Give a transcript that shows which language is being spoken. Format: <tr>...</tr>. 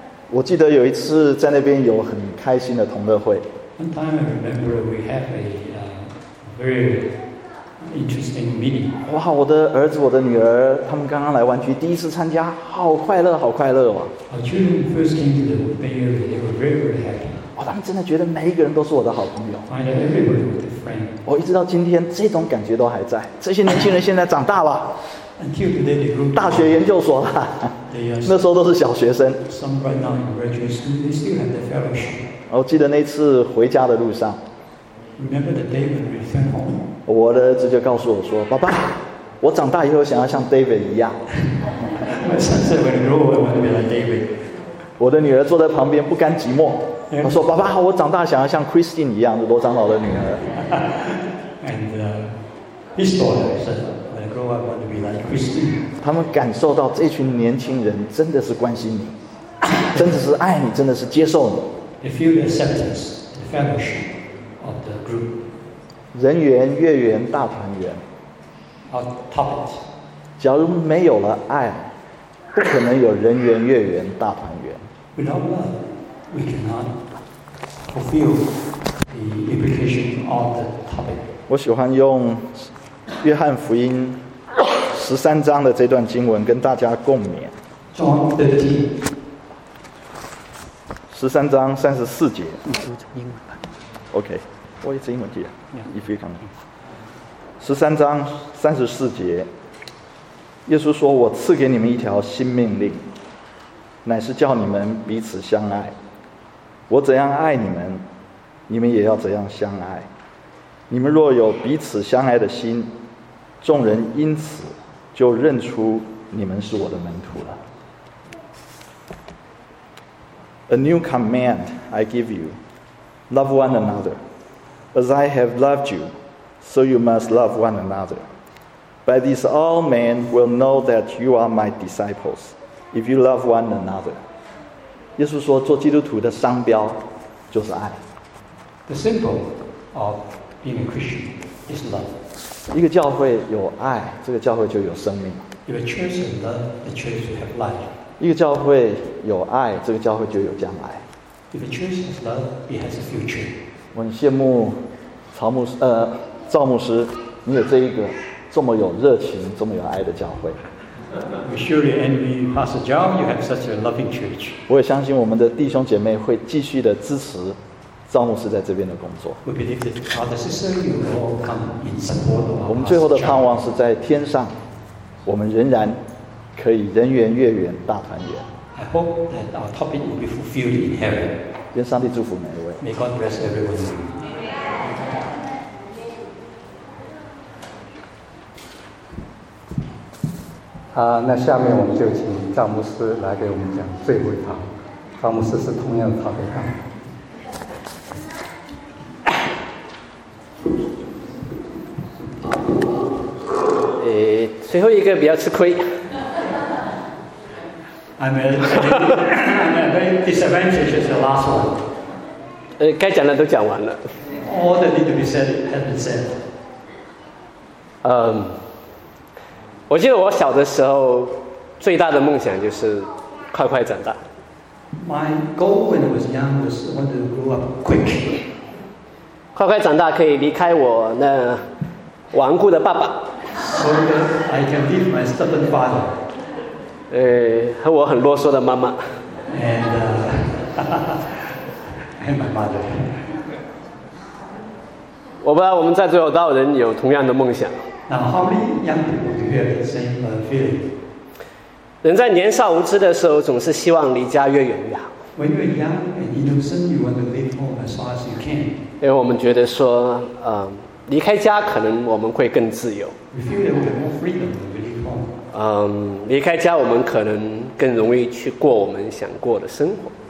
<zh>我记得有一次在那边有很开心的同乐会。</zh> <en>One time I remember we have a very interesting meeting.</en> <zh>哇，我的儿子、我的女儿，他们刚刚来湾区，第一次参加，好快乐，好快乐哦！</zh> <en>Our children first came to the Bay Area. They were very, very happy.</en> <zh>哇，他们真的觉得每一个人都是我的好朋友。</zh> <en>Find everybody was a friend.</en> <zh>我一直到今天，这种感觉都还在。这些年轻人现在长大了。</zh> <en>Until today, they grew.</en> <zh>大学、研究所了。</zh> <en>They are.</en> <zh>那时候都是小学生。</zh> <en>Some right now in graduate school, they still have their fellowship.</en> <zh>我记得那次回家的路上。</zh> <en>Remember the day when we returned home.</en> <zh>我的儿子就告诉我说：“爸爸，我长大以后想要像 David 一样。 ” 我的女儿坐在旁边不甘寂寞，她说：“爸爸，我长大想要像 Christine 一样，罗长老的女儿。</zh> <en>”And his daughter said, "When I grow up, I want to be like Christine."</en> <zh>他们感受到这群年轻人真的是关心你，真的是爱你，真的是接受你。</zh> <en>They feel the acceptance, the fellowship of the group.</en> <zh>人缘、月缘、大团圆。</zh> <en>Our topic.</en> <zh>假如没有了爱，不可能有人缘、月缘、大团圆。</zh> <en>Without love, we cannot fulfill the implication of the topic.</en> <zh>我喜欢用约翰福音十三章的这段经文跟大家共勉。</zh> <en>John 13.</en> <zh>十三章三十四节。你说成英文吧。</zh> <en>OK.</en> <zh>我也是英文记一非常十三章三十四节，耶稣说：“我赐给你们一条新命令，乃是叫你们彼此相爱。我怎样爱你们，你们也要怎样相爱。你们若有彼此相爱的心，众人因此就认出你们是我的门徒了。”</zh> <en>A new command I give you: love one another. As I have loved you, so you must love one another. By this all men will know that you are my disciples, if you love one another.</en> <zh>耶稣说做基督徒的商标就是爱。</zh> <en>The symbol of being a Christian is love.</en> <zh>一个教会有爱，这个教会就有生命。</zh> <en>If a church has love, the church will have life.</en> <zh>一个教会有爱，这个教会就有将来。</zh> <en>If a church has love, it has a future.</en> <zh>我很羡慕曹牧师，赵牧师，你有这一个这么有热情、这么有爱的教会。</zh> <en>We surely envy Pastor John. You have such a loving church.</en> <zh>我也相信我们的弟兄姐妹会继续的支持赵牧师在这边的工作。</zh> <en>We believe that Father Sister you will come in support of us.</en> <zh>我们最后的盼望是在天上，我们仍然可以人缘月圆大团圆。</zh> <en>I hope that our topic will be fulfilled in heaven.</en> <zh>愿上帝祝福每一位。</zh> <en>May God bless everyone.</en> <zh>那下面我们就请赵牧师来给我们讲最后一堂。赵牧师是同样的陶德纲。最后一个比较吃亏。</zh> <en>I'm a very disadvantaged the last one.</en> <zh>该讲的都讲完了。</zh> <en>All that need to be said has been said.</en> <zh>我记得我小的时候最大的梦想就是快快长大。</zh> <en>My goal when I was young was I wanted to grow up quick.</en> <zh>快快长大可以离开我那顽固的爸爸。</zh> <en>So that I can leave my stubborn father.</en> <zh>和我很啰嗦的妈妈。</zh> <en>And my mother.</en> <zh>我不知道我们在座有多少人有同样的梦想。</zh> <en>Now, how many young people do you have the same feeling?</en> <zh>人在年少无知的时候，总是希望离家越远越好。</zh> <en>When you are young and innocent, you want to leave home as far as you can.</en> <zh>因为我们觉得说，离开家可能我们会更自由。</zh> <en>We feel that we have more freedom when we leave home.</en> <zh>离开家我们可能更容易去过我们想过的生活。</zh>